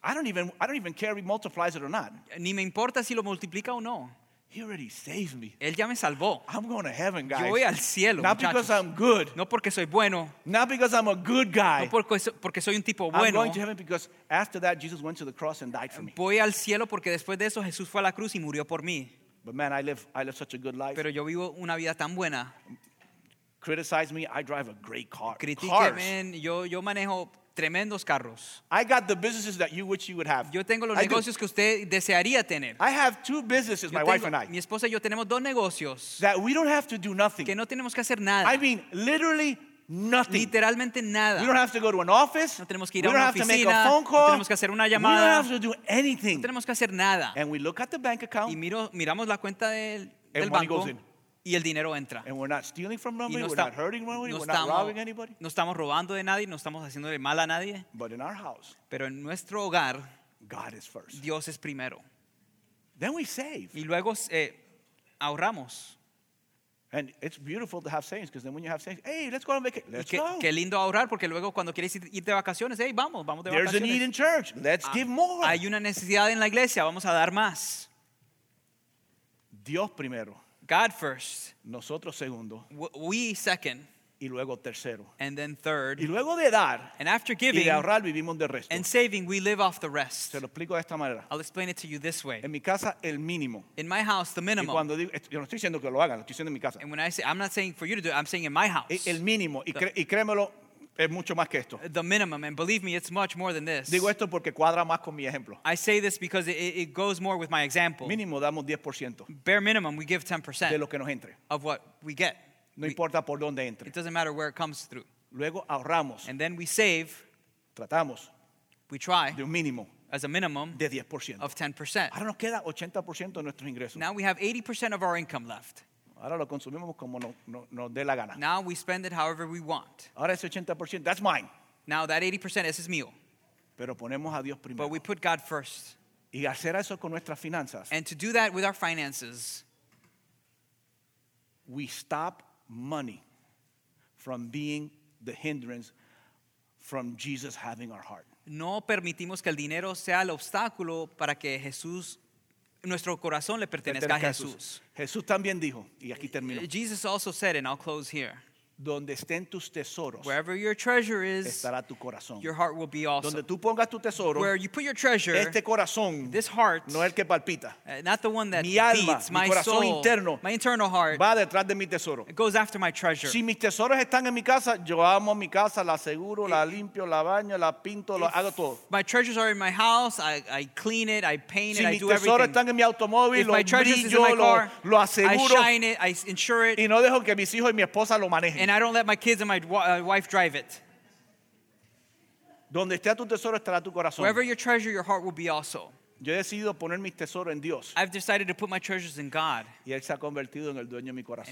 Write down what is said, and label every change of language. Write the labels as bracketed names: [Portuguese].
[English] I don't even care if he multiplies it or not. [Spanish] Ni me importa si lo multiplica o no. [English] He already saved me. [Spanish] Él ya me salvó. [English] I'm going to heaven, guys. [Spanish] Yo voy al cielo, [English] not [Spanish] muchachos. [English] Because I'm good. [Spanish] No porque soy bueno. [English] Not because I'm a good guy. [Spanish] No porque soy un tipo bueno. [English] I'm going to heaven because after that Jesus went to the cross and died for me. [Spanish] Voy al cielo porque después de eso Jesús fue a la cruz y murió por mí. [English] But man, I live such a good life. [Spanish] Pero yo vivo una vida tan buena. [English] Criticize me, I drive a great car. [Spanish] Critíqueme, yo manejo tremendos carros. [English] I got the businesses that you wish you would have. [Spanish] Yo tengo los negocios que usted desearía tener. [English] I have two businesses, my wife and I. [Spanish] Mi esposa y yo tenemos dos negocios. [English] That we don't have to do nothing. [Spanish] Que no tenemos que hacer nada. [English] I mean, literally Nothing. [Spanish] Literalmente nada. [English] We don't have to go to an office. [Spanish] No tenemos que ir [English] we [Spanish] a una oficina. [English] We don't have to make a phone call. [Spanish] No tenemos que hacer una llamada. [English] We don't have to do anything. [Spanish] No tenemos que hacer nada. [English] And we look at the bank account. [Spanish] Y miramos la cuenta del banco. Y el dinero entra. [English] And we're not stealing from nobody. We're not hurting nobody. We're not robbing anybody. [Spanish] No estamos robando de nadie. No estamos haciéndole mal a nadie. [English] But in our house. [Spanish] Pero en nuestro hogar. [English] God is first. [Spanish] Dios es primero. [English] Then we save. [Spanish] Y luego ahorramos. [English] And it's beautiful to have savings because then when you have savings, hey, let's go on vacation. Let's go. [Spanish] Qué lindo ahorrar porque luego cuando quieres ir de vacaciones, hey, vamos de vacaciones. [English] There's a need in church. Let's give more. [Spanish] Hay una necesidad en la iglesia. Vamos a dar más. Dios primero. [English] God first. [Spanish] Nosotros segundo. [English] We second. [Spanish] Y luego tercero. [English] And then third. [Spanish] Y luego de dar. [English] And after giving. [Spanish] Y de ahorrar vivimos de resto. [English] And saving, we live off the rest. [Spanish] Se lo explico de esta manera. [English] I'll explain it to you this way. [Spanish] En mi casa, el mínimo. [English] In my house, the minimum. [Spanish] Y cuando digo, yo no estoy diciendo que lo hagan, lo estoy diciendo en mi casa. [English] And when I say, I'm not saying for you to do it, I'm saying in my house. [Spanish] El mínimo. Y créemelo, es mucho más que esto. [English] The minimum. And believe me, it's much more than this. [Spanish] Digo esto porque cuadra más con mi ejemplo. [English] I say this because it goes more with my example. [Spanish] Mínimo, damos 10%. [English] Bare minimum, we give 10%. [Spanish] De lo que nos entre. [English] Of what we get. [Spanish] No importa por dónde entre. [English] It doesn't matter where it comes through. [Spanish] Luego ahorramos. [English] And then we save. [Spanish] Tratamos. [English] We try. [Spanish] De un mínimo. [English] As a minimum. [Spanish] De 10%. [English] Of 10%. [Spanish] Ahora nos queda 80% de nuestros ingresos. [English] Now we have 80% of our income left. [Spanish] Ahora lo consumimos como nos dé la gana. [English] Now we spend it however we want. [Spanish] Ahora ese 80%, [English] that's mine. Now that 80%, [Spanish] ese es mío. Pero ponemos a Dios primero. [English] But we put God first. [Spanish] Y hacer eso con nuestras finanzas. [English] And to do that with our finances. We stop money from being the hindrance from Jesus having our heart. [Spanish] No permitimos que el dinero sea el obstáculo para que Jesús, nuestro corazón le pertenezca a Jesús. Jesús también dijo, y aquí termino. [English] Jesus also said, and I'll close here. [Spanish] Donde estén tus tesoros, [English] wherever your treasure is, [Spanish] estará tu corazón. [English] Your heart will be also. [Spanish] Donde tú pongas tu tesoro, [English] where you put your treasure, [Spanish] este corazón, [English] this heart, [Spanish] no el que palpita, [English] not the one that [Spanish] mi [English] beats, [Spanish] alma, [English] my [Spanish] mi corazón [English] soul, [Spanish] interno, [English] my internal heart, [Spanish] va detrás de mi tesoro. [English] It goes after my treasure. [Spanish] Si mis tesoros están en mi casa, yo amo mi casa, la aseguro, la limpio, la baño, la pinto, lo hago todo. [English] My treasures are in my house, I clean it, I paint [Spanish] si [English] it, I do everything. [Spanish] Si mis tesoros están en mi automóvil, [English] if [Spanish] lo [English] my treasures [Spanish] brillo, [English] is in my car, [Spanish] lo aseguro, [English] I shine it, I insure it. [Spanish] Y no dejo que mis hijos y mi esposa lo manejen. [English] And I don't let my kids and my wife drive it. [Spanish] Donde esté tu tesoro, estará tu corazón. [English] Wherever your treasure, your heart will be also. [Spanish] Yo he decidido poner mis tesoros en Dios. [English] I've decided to put my treasures in God. [Spanish] Y él se ha convertido en el dueño de mi corazón.